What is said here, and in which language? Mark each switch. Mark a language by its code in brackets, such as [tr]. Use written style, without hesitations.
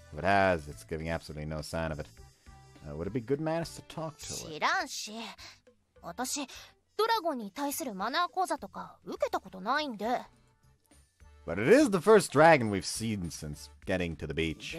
[en] If it has, it's giving absolutely no sign of it. Would it be good manners to talk to her? [ja] 知らんし。私、ドラゴンに対するマナー講座とか受けたことないんで。 [en] But it is the first dragon we've seen since getting to the beach.